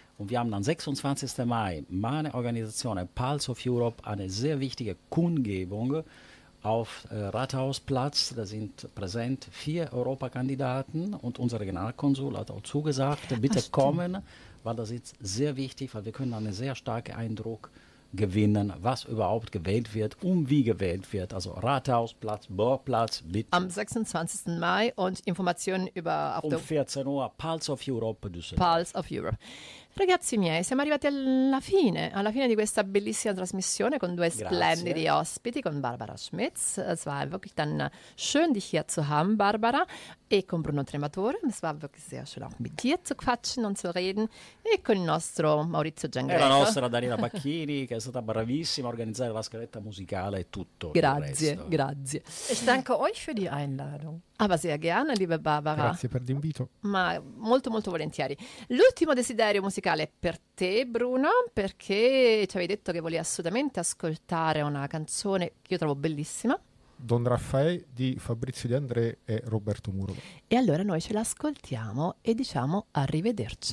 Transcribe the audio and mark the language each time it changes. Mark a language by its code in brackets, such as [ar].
[de] Und wir haben am 26. Mai meine Organisation Pulse of Europe eine sehr wichtige Kundgebung auf Rathausplatz, da sind präsent vier Europakandidaten und unser Generalkonsul hat auch zugesagt, bitte kommen, weil das ist sehr wichtig, weil wir können einen sehr starken Eindruck gewinnen, was überhaupt gewählt wird und wie gewählt wird. Also Rathausplatz, Bohrplatz, bitte. Am 26. Mai und Informationen über... Auf um 14 Uhr, Pulse of Europe, Düsseldorf. Pulse of Europe. [it] Ragazzi miei, siamo arrivati alla fine di questa bellissima trasmissione con due splendidi ospiti, con Barbara Schmitz. [de] Es war wirklich dann schön, dich hier zu haben, Barbara, [it] e con Bruno Trematore. [de] Es war wirklich sehr schön, auch mit dir zu quatschen und zu reden, [it] e con il nostro Maurizio Giangreco. E la nostra Daniela Bacchini, che è stata bravissima a organizzare la scaletta musicale e tutto. Grazie, il resto. Grazie. [de] Ich danke euch für die Einladung. Aber sehr gerne, liebe Barbara. [it] Grazie per l'invito. Ma molto, molto volentieri. L'ultimo desiderio musicale per te, Bruno, perché ci avevi detto che volevi assolutamente ascoltare una canzone che io trovo bellissima. Don Raffaele di Fabrizio De André e Roberto Muro. E allora noi ce l'ascoltiamo e diciamo arrivederci.